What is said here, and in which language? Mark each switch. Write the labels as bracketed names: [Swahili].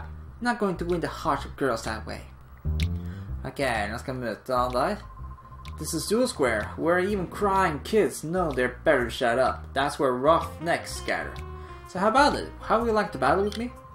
[English] I'm not going to win the hearts of girls that way. [Norwegian] Okay, nå skal jeg møte han der. [English] This is Duel Square, where even crying kids know they're better to shut up. That's where roughnecks scatter. So how about it? How would you like to battle with me?